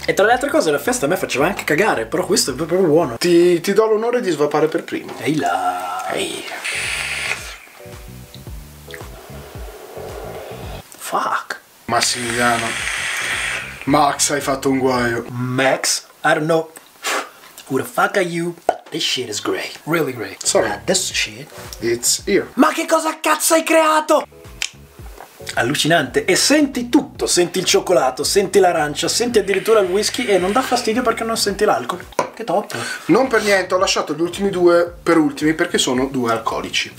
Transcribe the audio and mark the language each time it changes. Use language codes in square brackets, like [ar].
[it] E tra le altre cose, la fiesta a me faceva anche cagare, però questo è proprio buono. Ti do l'onore di svapare per primo. Ehi là. Ehi. [en] fuck. [it] Massimiliano, Max, hai fatto un guaio. Max? [en] I don't know who the fuck are you, but this shit is great. Really great. Sorry. But this shit... it's here. [it] Ma che cosa cazzo hai creato? Allucinante. E senti tutto. Senti il cioccolato, senti l'arancia, senti addirittura il whisky e non dà fastidio perché non senti l'alcol. Che top. Non per niente ho lasciato gli ultimi due per ultimi perché sono due alcolici.